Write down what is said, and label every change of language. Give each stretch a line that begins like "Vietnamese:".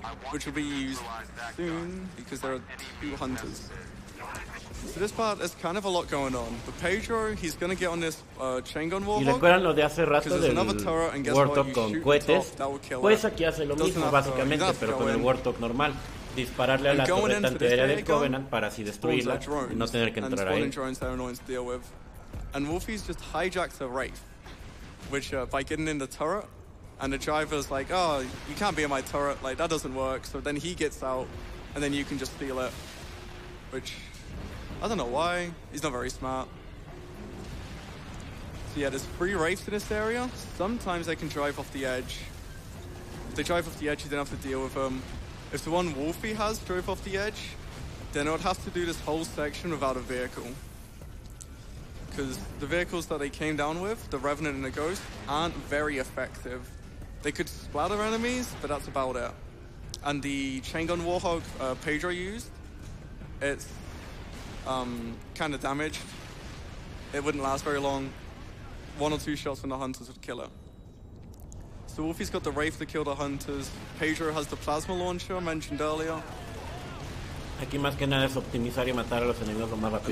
English: Which will be used soon, because there are two hunters. So this part, there's kind of a lot going on. But Pedro, he's going to get on this chain gun warhawk.
Spanish: Y recuerdan lo de hace rato del warthog con cohetes. Pues aquí hace lo mismo, básicamente, pero con el warthog normal. Dispararle a la torreta antiaérea del Covenant para así destruirla y no tener que entrar ahí.
English: And Wolfie's just hijacked a Wraith, which by getting in the turret, and the driver's like, oh, you can't be in my turret, like, that doesn't work. So then he gets out, and then you can just steal it, which, I don't know why, he's not very smart. So yeah, there's three Wraiths in this area. Sometimes they can drive off the edge. If they drive off the edge, you don't have to deal with them. If the one Wolfie has drove off the edge, then it would have to do this whole section without a vehicle. Because the vehicles that they came down with, the Revenant and the Ghost, aren't very effective. They could splatter enemies, but that's about it. And the chain gun warhog Pedro used, it's kind of damaged. It wouldn't last very long. One or two shots from the hunters would kill it. So Wolfie's got the Wraith to kill the hunters. Pedro has the plasma launcher mentioned earlier.
Spanish: Aquí más que nada es optimizar y matar a los enemigos lo más rápido